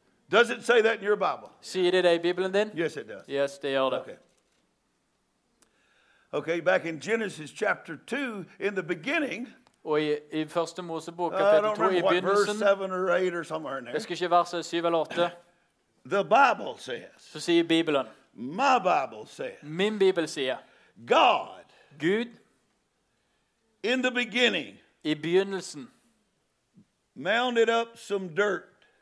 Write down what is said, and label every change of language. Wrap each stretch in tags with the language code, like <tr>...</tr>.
<en>Does it say that in your Bible?</en> <sv>Säger det det i Bibeln din?</sv> <en>Yes, it does.</en> <sv>Yes, det gör det.</sv> <en>Okay, back in Genesis chapter 2, in the beginning.</en> <sv>Och i första Mosebok kapitel 2 i begynnelsen.</sv> <en>Verse 7 or 8 or somewhere in there.</en> <sv>Det ska ske vers 7 eller 8.</sv> <en>The Bible says.</en> <sv>Så säger Bibeln.</sv> <en>My Bible says.</en> <sv>Min Bibel säger.</sv> <en>God.</en> <sv>Gud.</sv> <en>In the beginning.</en> <sv>I begynnelsen.</sv> <en>Mounded up some dirt.</en>